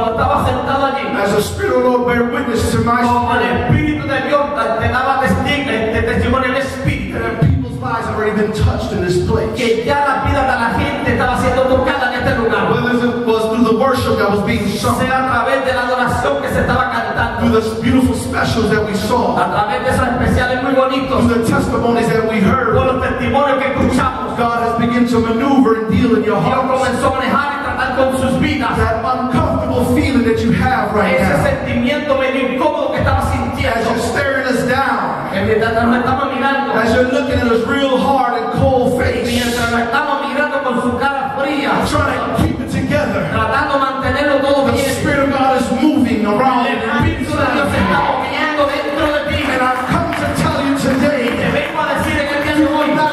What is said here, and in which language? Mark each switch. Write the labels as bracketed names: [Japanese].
[English] As the Spirit of the Lord bear witness to my spirit. [Spanish] Como el Espíritu de Dios te daba testigo, te testimonio en el Espíritu. [English] And people's lives have already been touched in this place. [Spanish] Que ya la vida de la gente estaba siendo tocada en este lugar. [English] Whether it was through the worship that was being sung. [Spanish] Sea a través de la adoración que se estaba cantando. [English] Through the beautiful specials that we saw. [Spanish] A través de esos especiales muy bonitos. [English] Through the testimonies that we heard. [Spanish] Por los testimonios que escuchamos. [English] God has begun to maneuver and deal in your heart. [Spanish] Dios comenzó a manejar y tratar con sus vidas. [English] That uncomfortable feeling that you have right [Spanish] ese [English] now. [Spanish] Ese sentimiento medio incómodo que estaba sintiendo. [English] As you're staring us down. [Spanish] Mientras nos estamos mirando. [English] As you're looking at us real hard and cold face. [Spanish] Mientras nos estamos mirando con su cara fría. [English] Trying to keep it together. [Spanish] Tratando de mantenerlo todo bien. [English] The Spirit of God is moving around. [Spanish] El Espíritu de Dios está moviendo dentro de ti. [English] And I've come to tell you today. [Spanish] Te vengo a decir en el día de hoy.